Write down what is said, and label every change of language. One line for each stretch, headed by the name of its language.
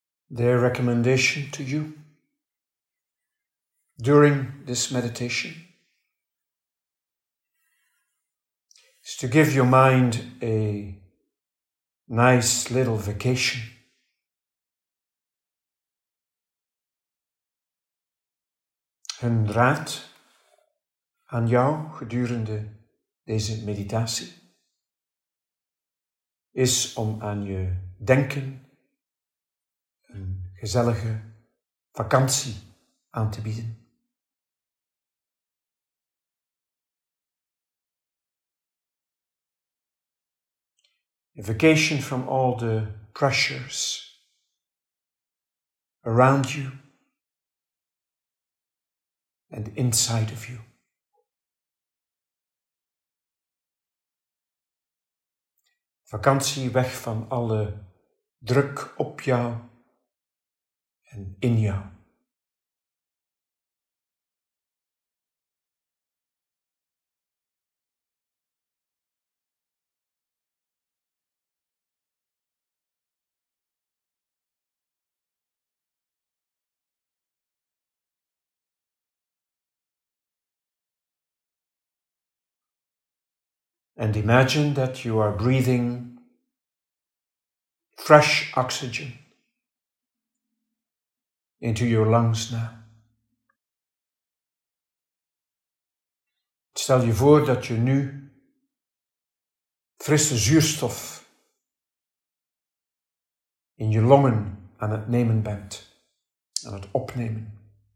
English: Their recommendation to you during this meditation is to give your mind a nice little vacation.
Dutch: Hun raad aan jou gedurende deze meditatie is om aan je denken een gezellige vakantie aan te bieden.
English: A vacation from all the pressures around you and inside of you.
Dutch: Vakantie weg van alle druk op jou en in jou.
English: And imagine that you are breathing fresh oxygen into your lungs now.
Dutch: Stel je voor dat je nu frisse zuurstof in je longen aan het nemen bent, aan het opnemen.